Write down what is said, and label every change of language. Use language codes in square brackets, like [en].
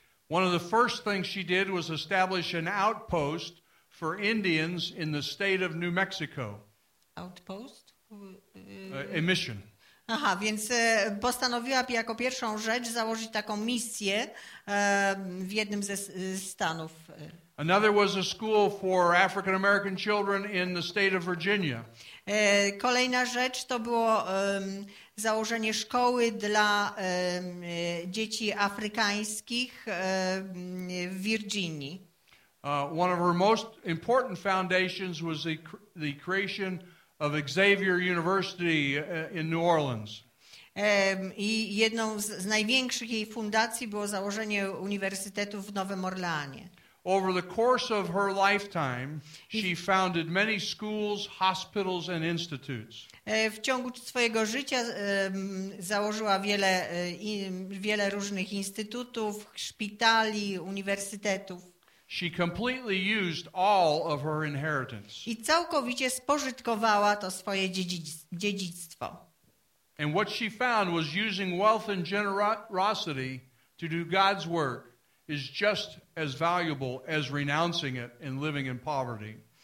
[en] One of the first things she did was establish an outpost for Indians in the state of New Mexico. Outpost? A mission. [pl] Aha, więc postanowiła jako pierwszą rzecz założyć taką misję w jednym ze stanów. [en] Another was a school for African American children in the state of Virginia. [pl] Kolejna rzecz to było założenie szkoły dla dzieci afrykańskich w Virginii. [en] One of her most important foundations was the creation of Xavier University in New Orleans. [pl] I jedną z największych jej fundacji było założenie uniwersytetu w Nowym Orleanie. [en] Over the course of her lifetime, she founded many schools, hospitals, and institutes. [pl] W ciągu swojego życia założyła wiele różnych instytutów, szpitali, uniwersytetów. [en] She completely used all of her inheritance. [pl] I całkowicie spożytkowała to swoje dziedzictwo. [en] And what she found was using wealth and generosity to do God's work is just as valuable as renouncing it and living in poverty.